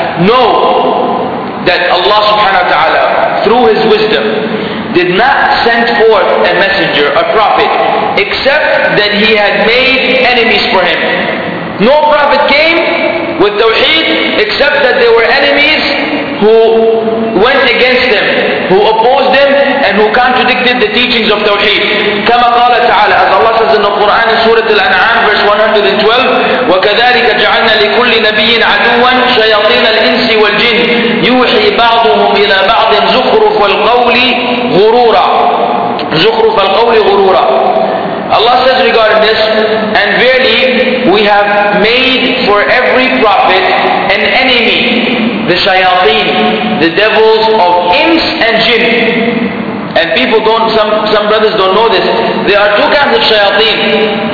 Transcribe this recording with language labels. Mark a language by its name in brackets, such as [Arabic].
[English] No, that Allah subhanahu wa ta'ala, through His wisdom, did not send forth a messenger, a prophet, except that He had made enemies for him. No prophet came with Tawheed, except that there were enemies who went against him, who opposed him, and who contradicted the teachings of Tawheed. [Arabic] كما قال تعالى, [English] as Allah says in the Quran, Surah Al-An'am, verse 112, [Arabic] وَكَذَلِكَ جَعَلْنَا لِكُلِّ نَبِيٍ عَدُوًا شَيَاطِينَ الْإِنسِ وَالْجِنِ يُوحِي بَعْضُهُمْ إِلَى بَعْضٍ زُخْرُفَ الْقَوْلِ غُرُورًا. زُخْرُفَ الْقَوْلِ غُرُورًا. [English] Allah says regarding this, and verily, we have made for every prophet an enemy, the shayateen, the devils of ins and jinn. And people don't, some brothers don't know this. There are two kinds of shayateen.